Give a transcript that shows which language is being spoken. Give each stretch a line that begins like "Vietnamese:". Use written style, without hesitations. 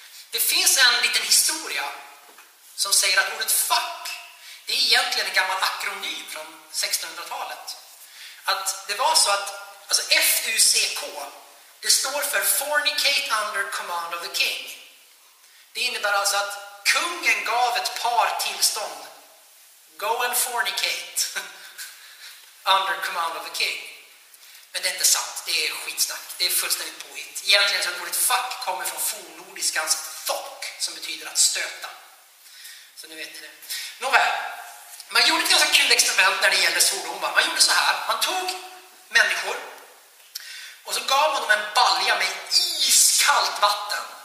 Swedish: Det finns en liten historia som säger att ordet fuck, det är egentligen en gammal akronym från 1600-talet. Att det var så att, alltså F-U-C-K, det står för
English: fornicate under command of the king.
Swedish: Det innebär alltså att kungen gav ett par tillstånd.
English: Go and fornicate under command of the king.
Swedish: Men det är inte sant, det är skitsnack, det är fullständigt påhitt. Egentligen så ordet fuck kommer från fornordiskans thok, som betyder att stöta. Så nu vet ni det. Nåväl, man gjorde ett ganska kul experiment när det gäller svordomar. Man gjorde så här, man tog människor och så gav man dem en balja med iskallt vatten.